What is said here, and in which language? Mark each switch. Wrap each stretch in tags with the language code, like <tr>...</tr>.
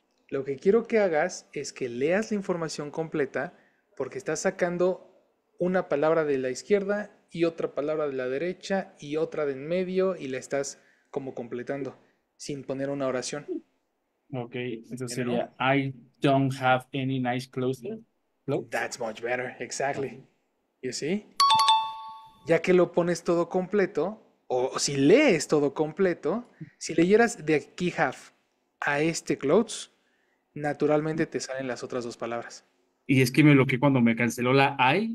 <es>Lo que quiero que hagas es que leas la información completa porque estás sacando una palabra de la izquierda y otra palabra de la derecha y otra de en medio y la estás como completando sin poner una oración. Ok, eso sería</es> <en>I don't have any nice clothes. That's much better, exactly. You see?</en> <es>Ya que lo pones todo completo, o si lees todo completo, si leyeras de aquí have a este clothes, naturalmente te salen las otras dos palabras. Y es que me bloqueé cuando me canceló la I.</es>